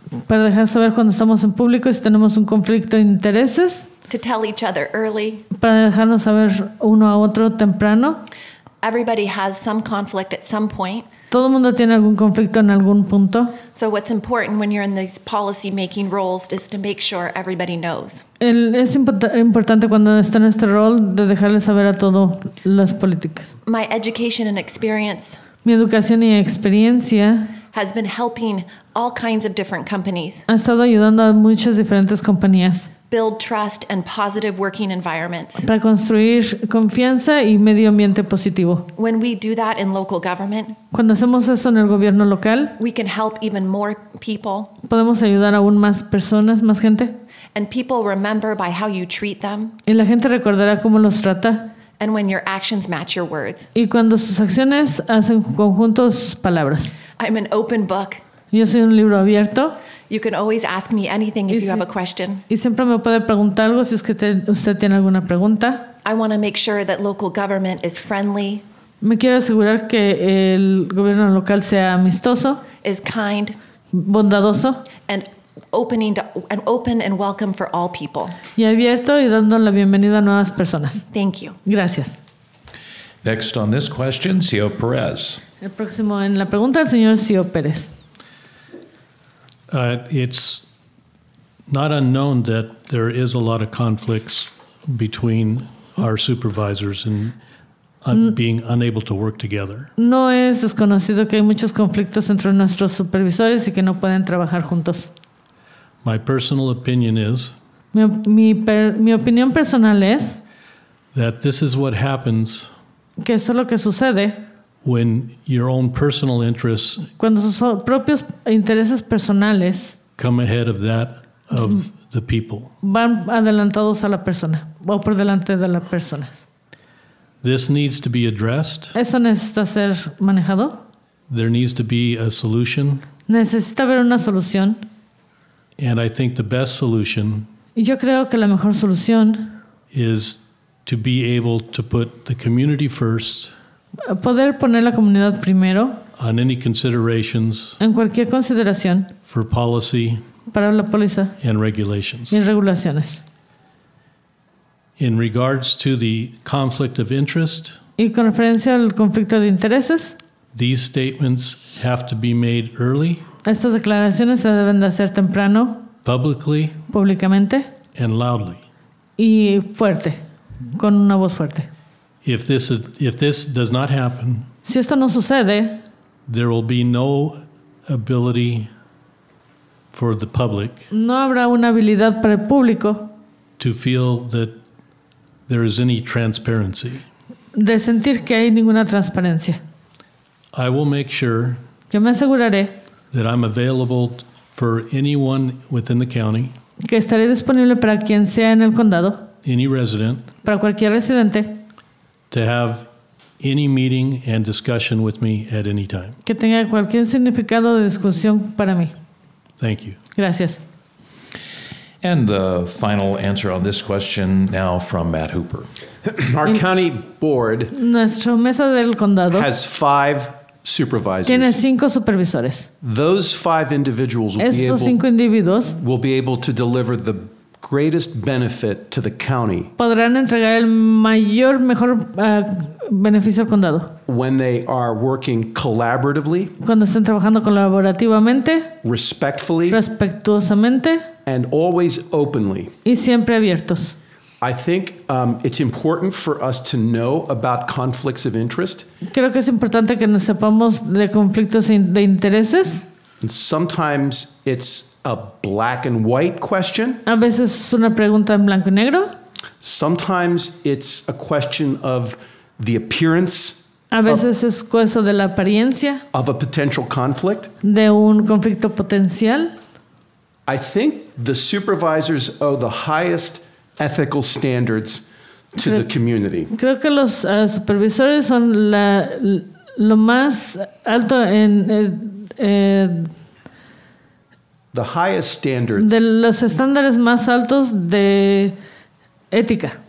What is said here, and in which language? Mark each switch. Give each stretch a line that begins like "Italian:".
Spanish: Para dejar saber cuando estamos en público si tenemos un conflicto de intereses.
English: To tell each other early.
Spanish: Para dejarnos saber uno a otro temprano.
English: Everybody has some conflict at some point.
Spanish: Todo el mundo tiene algún conflicto en algún punto.
English: So what's important when you're in these policy making roles is to make sure everybody knows.
Spanish: Es importante cuando está en este rol de dejarle saber a todos las políticas.
English: My education and experience.
Spanish: Mi educación y experiencia
English: has been helping all kinds of different companies.
Spanish: Ha estado ayudando a muchas diferentes compañías.
English: Build trust and positive working environments.
Spanish: Para construir confianza y medio ambiente positivo.
English: When we do that in local government,
Spanish: cuando hacemos eso en el gobierno local,
English: we can help even more people.
Spanish: Podemos ayudar aún más personas, más gente.
English: And people remember by how you treat them.
Spanish: Y la gente recordará cómo los trata.
English: And when your actions match your words.
Spanish: Y cuando sus acciones hacen conjunto sus palabras.
English: I'm an open book.
Spanish: Yo soy un libro abierto.
English: You can always ask me anything if you have a question.
Spanish: Y siempre me puede preguntar algo si es que usted tiene alguna pregunta.
English: I want to make sure that local government is friendly.
Spanish: Me quiero asegurar que el gobierno local sea amistoso.
English: Is kind.
Spanish: Bondadoso.
English: And opening to, and open and welcome for all people.
Spanish: Y abierto y dando la bienvenida a nuevas personas.
English: Thank you.
Spanish: Gracias.
English: Next on this question, CEO Perez.
Spanish: El próximo en la pregunta, el señor CEO Perez.
English: It's not unknown that there is a lot of conflicts between our supervisors and being unable to work together.
Spanish: No es desconocido que hay muchos conflictos entre nuestros supervisores y que no pueden trabajar juntos.
English: My personal opinion is
Spanish: mi opinión personal es
English: that this is what happens
Spanish: que esto es lo que sucede
English: when your own personal interests
Spanish: cuando sus propios intereses personales
English: come ahead of that of the people
Spanish: van adelantados a la persona o por delante de la persona.
English: This needs to be addressed.
Spanish: Esto necesita ser manejado.
English: There needs to be a solution.
Spanish: Necesita haber una solución.
English: And I think the best solution
Spanish: yo creo que la mejor solución
English: is to be able to put the community first
Spanish: poder poner la comunidad primero
English: on any considerations
Spanish: en cualquier consideración
English: for policy
Spanish: para la póliza
English: and regulations.
Spanish: Y regulaciones.
English: In regards to the conflict of interest
Spanish: y con referencia al conflicto de intereses
English: these statements have to be made early
Spanish: estas declaraciones se deben de hacer temprano
English: publicly
Spanish: públicamente
English: and loudly
Spanish: y fuerte con una voz fuerte
English: if this does not happen
Spanish: si esto no sucede
English: there will be no ability for the public
Spanish: no habrá una habilidad para el público
English: to feel that there is any transparency
Spanish: de sentir que hay ninguna transparencia
English: I will make sure
Spanish: yo me aseguraré
English: that I'm available for anyone within the county
Spanish: que estaré disponible para quien sea en el condado
English: any resident
Spanish: para cualquier residente
English: to have any meeting and discussion with me at any time
Spanish: que tenga cualquier significado de discusión para mí
English: thank you
Spanish: gracias
English: And the final answer on this question now from Matt Hooper. Our county board
Spanish: Nuestra mesa del condado
English: has five supervisors.
Spanish: Tiene cinco supervisores.
English: Those five individuals will be able to deliver the greatest benefit to the county.
Spanish: Podrán entregar el mayor, mejor beneficio al condado.
English: When they are working collaboratively.
Spanish: Cuando estén trabajando colaborativamente.
English: Respectfully.
Spanish: Respetuosamente.
English: And always openly.
Spanish: Y siempre abiertos.
English: I think it's important for us to know about conflicts of interest.
Spanish: Creo que es importante que nos sepamos de conflictos de intereses.
English: And sometimes it's a black and white question.
Spanish: A veces es una pregunta en blanco y negro.
English: Sometimes it's a question of the appearance.
Spanish: A veces es cuestión de la apariencia.
English: Of a potential conflict.
Spanish: De un conflicto potencial.
English: I think the supervisors owe the highest ethical standards to the community.
Spanish: Creo que los supervisores son lo más alto en
English: the highest standards.
Spanish: De los estándares más altos de ética.